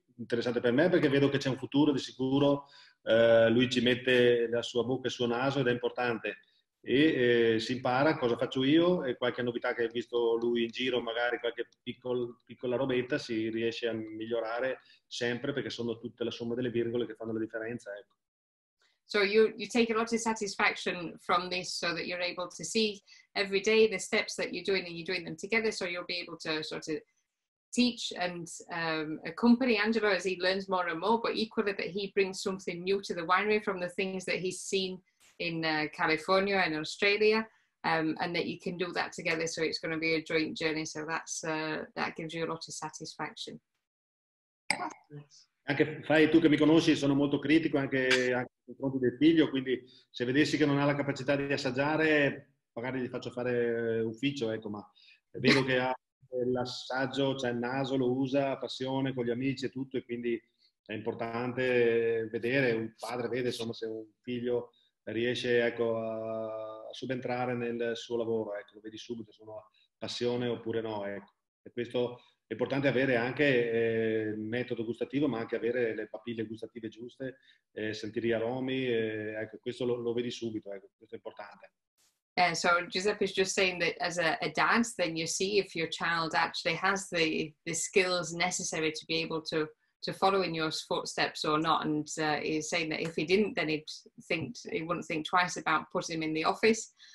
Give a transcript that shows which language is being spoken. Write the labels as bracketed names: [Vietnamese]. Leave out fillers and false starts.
[Italian] Interessante per me perché vedo che c'è un futuro, di sicuro. Lui ci mette la sua bocca e il suo naso ed è importante. E si impara cosa faccio io e qualche novità che ha visto lui in giro, magari qualche piccola robetta, si riesce a migliorare sempre perché sono tutte la somma delle virgole che fanno la differenza, ecco. [English] So you take a lot of satisfaction from this, so that you're able to see every day the steps that you're doing, and you're doing them together, so you'll be able to sort of teach and accompany Angelo as he learns more and more, but equally that he brings something new to the winery from the things that he's seen in California and Australia, and that you can do that together, so it's going to be a joint journey. So that's that gives you a lot of satisfaction. [Italian] Anche fai tu che mi conosci, sono molto critico anche nei confronti del figlio, quindi se vedessi che non ha la capacità di assaggiare, magari gli faccio fare ufficio, ecco, ma vedo che ha l'assaggio, c'è il naso, lo usa, passione con gli amici e tutto, e quindi è importante vedere, un padre vede insomma se un figlio riesce, ecco, a subentrare nel suo lavoro, ecco, lo vedi subito, se una passione oppure no, ecco. E questo è importante, avere anche metodo gustativo, ma anche avere le papille gustative giuste, sentire gli aromi, ecco, questo lo vedi subito, ecco, questo è importante. [English] So Giuseppe is just saying that as a dad, then you see if your child actually has the skills necessary to be able to follow in your footsteps or not, and he's saying that if he didn't, then he wouldn't think twice about putting him in the office.